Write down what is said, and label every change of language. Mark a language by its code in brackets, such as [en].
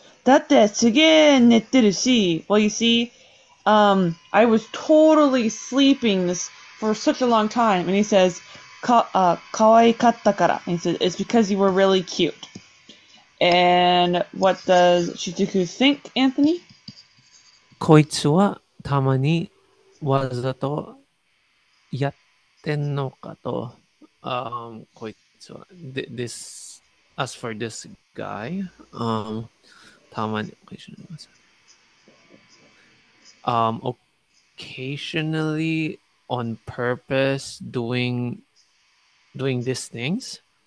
[en] Well, you see, I was totally sleeping this for such a long time. And he says, [ja] かわいかったから. [en] And he says, it's because you were really cute. And what does Shizuku think, Anthony? [ja] こいつはたまにわざとやってんのかと。こいつは、 [en] this, as for this guy, [ja] たまに、 [en] occasionally on purpose doing these things?